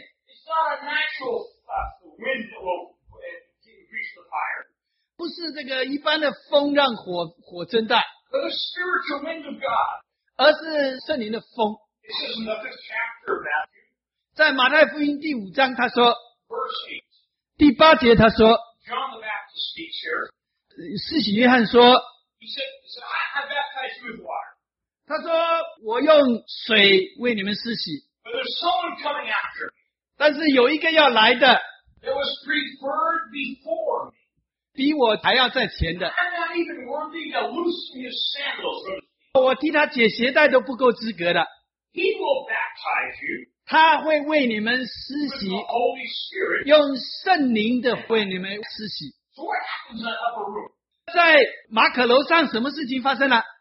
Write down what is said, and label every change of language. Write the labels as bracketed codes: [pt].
[en] It's not a natural wind that will increase the fire [zh] 不是这个一般的风让火增大 [en] But a spiritual wind of God [zh] 而是圣灵的风 [en] This is another chapter of Matthew [zh] 在马太福音第五章他说 [en] Verse 8 [zh] 第八节他说 [en] John the Baptist speaks here [zh] 施洗约翰说 [en] He said, I baptize you with water [zh] 他说我用水为你们施洗 [en] But there's someone coming after me [zh] 但是有一个要来的 [en] It was preferred before me [zh] 比我还要在前的 [en] I'm not even worthy to loosen his sandals from [zh] me 我替他解鞋带都不够资格的 [en] He will baptize you [zh] 他会为你们施洗 [en] With the Holy Spirit [zh] 用圣灵的为你们施洗 [en] So what happens in the upper room? [zh] 在马可楼上什么事情发生了?